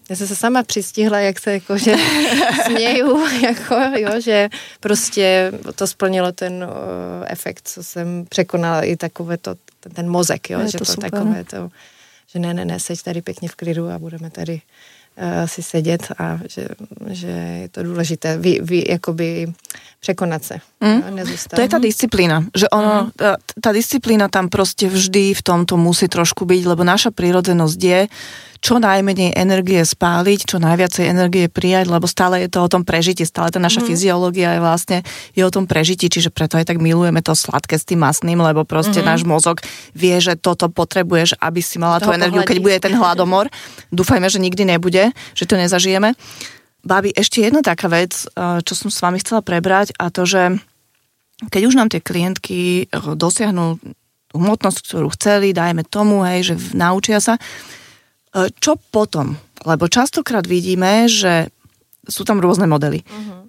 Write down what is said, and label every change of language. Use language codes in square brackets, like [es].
[cs] Já jsem se sama přistihla, jak se jako, že směju, jako, jo, že prostě to splnilo ten efekt, co jsem překonala i takové to, ten mozek, jo, že to super. Takové to... Že ne, seď tady pěkně v klidu a budeme tady si sedět a že je to důležité jakoby překonat se. Mm. [sk] To je ta disciplína, že ono, ta disciplína tam prostě vždy v tomto musí trošku byť, lebo naša prírodzenosť je čo najmenej energie spáliť, čo najviacej energie prijať, lebo stále je to o tom prežití, stále tá naša fyziológia je vlastne je o tom prežití, čiže preto aj tak milujeme to sladké s tým masným, lebo proste náš mozog vie, že toto potrebuješ, aby si mala tú energiu, keď bude ten hladomor. Dúfajme, že nikdy nebude, že to nezažijeme. Babi, ešte jedna taká vec, čo som s vami chcela prebrať, a to, že keď už nám tie klientky dosiahnu hmotnosť, ktorú chceli, dajme tomu, hej, že naučia sa. Čo potom? Lebo častokrát vidíme, že sú tam rôzne modely. Uh-huh.